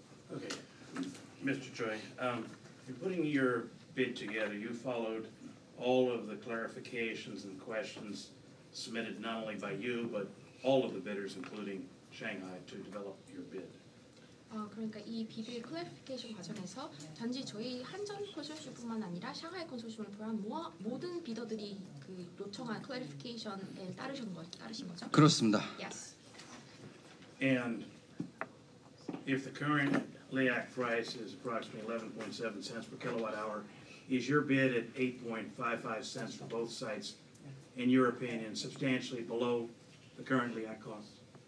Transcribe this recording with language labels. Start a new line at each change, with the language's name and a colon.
English: Okay, Mr. Choi, you're putting your bid together. You followed all of the clarifications and questions submitted not only by you, but all of the bidders, including Shanghai, to develop your bid.
Korean: 그러니까 이 비빌 클래리피케이션 과정에서 단지 저희 한전 컨소시엄뿐만 아니라 샹하이 컨소시엄을 포함한 모든 비더들이 그 요청한 클래리피케이션에 따르신 거죠? 그렇습니다.
English: Yes. And if the current LEAC price is approximately 11.7 cents per kilowatt hour, is your bid at 8.55 cents for both sites, in your opinion, substantially below the current LEAC cost?